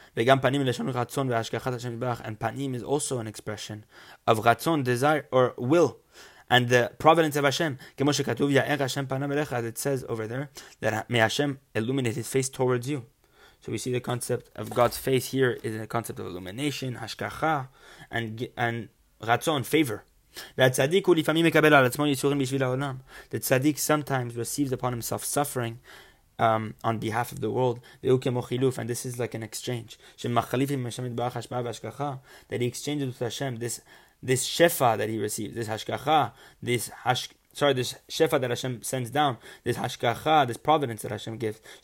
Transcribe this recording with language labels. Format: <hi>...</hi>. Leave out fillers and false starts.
<he>וגם פנים לשון רצון והשגחת השם יתברך,</he> <en>and panim is also an expression of רצון, desire or will, and the providence of Hashem.</en> <he>כמו שכתוב, יאר השם פנם אליך,</he> <en>as it says over there, that</en> <he>מהשם</he> <en>illuminate his face towards you. So we see the concept of God's face here is a concept of illumination, השגחה, and רצון, favor.</en> <he>והצדיק הוא לפעמים מקבל על עצמו יצורים בשביל העולם.</he> <en>The tzaddik sometimes receives upon himself suffering on behalf of the world, and this is like an exchange, that he exchanges with Hashem this shefa that he receives, this hashkacha, this shefa that Hashem sends down, this hashkacha, this providence that Hashem gives.</en>